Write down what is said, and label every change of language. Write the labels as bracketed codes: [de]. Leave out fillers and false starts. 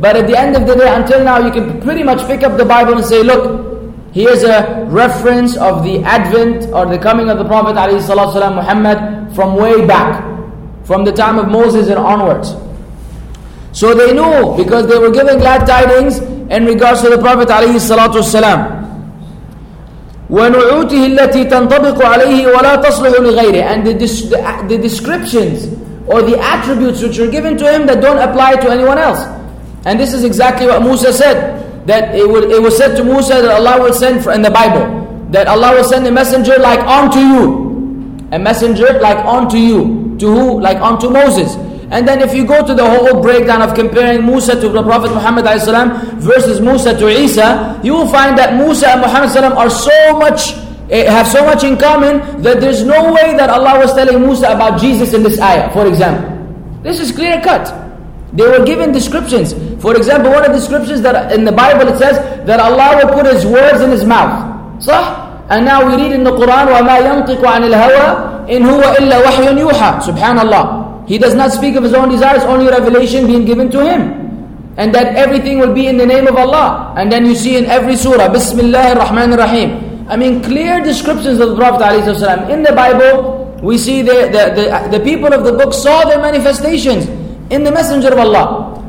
[en] But at the end of the day, until now, you can pretty much pick up the Bible and say, look, here's a reference of the advent or the coming of the Prophet ﷺ, Muhammad, from way back, from the time of Moses and onwards. So they knew, because they were given glad tidings in regards to the Prophet ﷺ. [ar] ونعوته التي تنطبق عليه ولا تصلح لغيره. [en] And the descriptions or the attributes which are given to him that don't apply to anyone else. And this is exactly what Musa said, that it was said to Musa that Allah will send in the Bible, that Allah will send a messenger like unto you, a messenger like unto you, to who? Like unto Moses. And then if you go to the whole breakdown of comparing Musa to the Prophet Muhammad ﷺ versus Musa to Isa, you will find that Musa and Muhammad ﷺ have so much in common that there's no way that Allah was telling Musa about Jesus in this ayah, for example. This is clear cut. They were given descriptions. For example, one of the descriptions that in the Bible it says that Allah will put His words in His mouth. صح? [ar] أنا أريد أن القرآن وما ينطق عن الهوى إن هو إلا وحي يوحى. سبحان الله. [en] He does not speak of his own desires, only revelation being given to him. And that everything will be in the name of Allah. And then you see in every surah, Bismillah ar-Rahman ar-Rahim. I mean, clear descriptions of the Prophet alayhi wasalam. In the Bible, we see the people of the book saw their manifestations in the Messenger of Allah.